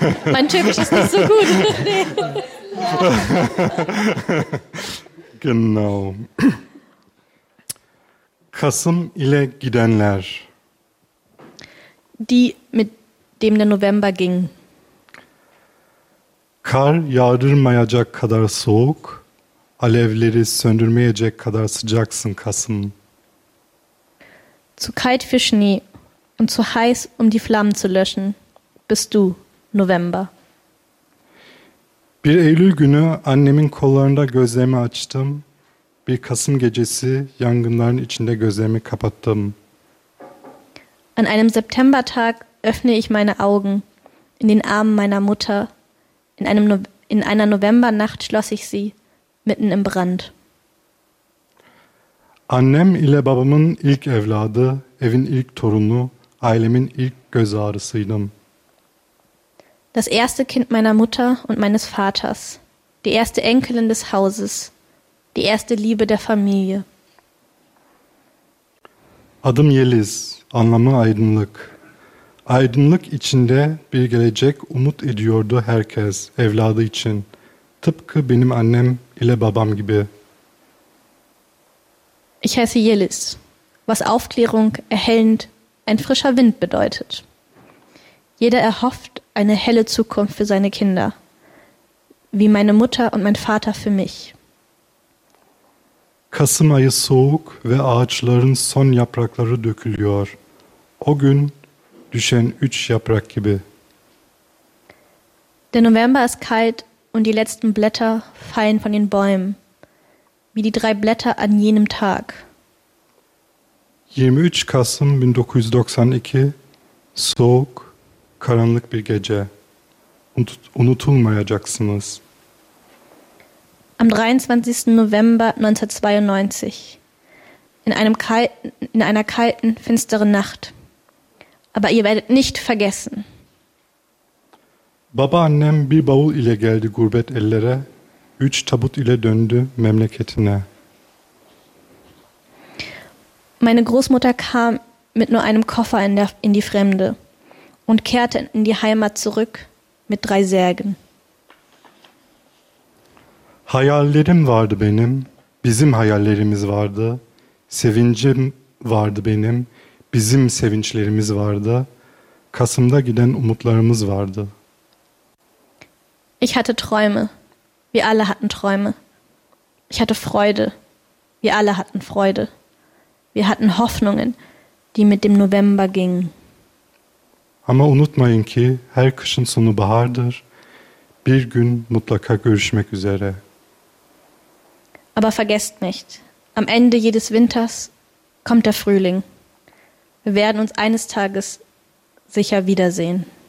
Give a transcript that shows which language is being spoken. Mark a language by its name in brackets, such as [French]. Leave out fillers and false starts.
[German] Mein Türkisch ist nicht so gut. Genau. [Turkish] Kasım ile gidenler. [German] Die, mit dem der November ging. [Turkish] Kar yağdırmayacak kadar soğuk, alevleri söndürmeyecek kadar sıcaksın Kasım. [German] Zu kalt für Schnee und zu heiß, um die Flammen zu löschen, bist du November. [Turkish] Bir Eylül günü annemin kollarında gözlerimi açtım. Bir Kasım gecesi yangınların içinde gözlerimi kapattım. [German] An einem Septembertag öffne ich meine Augen in den Armen meiner Mutter. In einer Novembernacht schloss ich sie mitten im Brand. [Turkish] Annem ile babamın ilk evladı, evin ilk torunu, ailemin ilk göz ağrısıydım. [German] Das erste Kind meiner Mutter und meines Vaters, die erste Enkelin des Hauses, die erste Liebe der Familie. [Turkish] Adım Yeliz, anlamı aydınlık. Aydınlık içinde bir gelecek umut ediyordu herkes evladı için. Tıpkı benim annem ile babam gibi. [German] Ich heiße Yeliz, was Aufklärung, erhellend, ein frischer Wind bedeutet. Jeder erhofft eine helle Zukunft für seine Kinder, wie meine Mutter und mein Vater für mich. [Turkish] Kasım ayı soğuk ve ağaçların son yaprakları dökülüyor. O gün düşen üç yaprak gibi. [German] Der November ist kalt und die letzten Blätter fallen von den Bäumen, wie die drei Blätter an jenem Tag. [Turkish] 23 Kasım 1992, soğuk, karanlık bir gece. Unutulmayacaksınız. [German] Am 23. November 1992, in einer kalten, finsteren Nacht. Aber ihr werdet nicht vergessen. [Turkish] Baba annem bir bavul ile geldi gurbet ellere, üç tabut ile döndü memleketine. [German] Meine Großmutter kam mit nur einem Koffer in die Fremde und kehrte in die Heimat zurück mit drei Särgen. [Turkish] Hayallerim vardı benim, bizim hayallerimiz vardı, sevincim vardı benim. Bizim sevinçlerimiz vardı. Kasım'da giden umutlarımız vardı. [German] Ich hatte Träume. Wir alle hatten Träume. Ich hatte Freude. Wir alle hatten Freude. Wir hatten Hoffnungen, die mit dem November gingen. [Turkish] Ama unutmayın ki her kışın sonu bahardır. Bir gün mutlaka görüşmek üzere. [German] Aber vergesst nicht. Am Ende jedes Winters kommt der Frühling. Wir werden uns eines Tages sicher wiedersehen.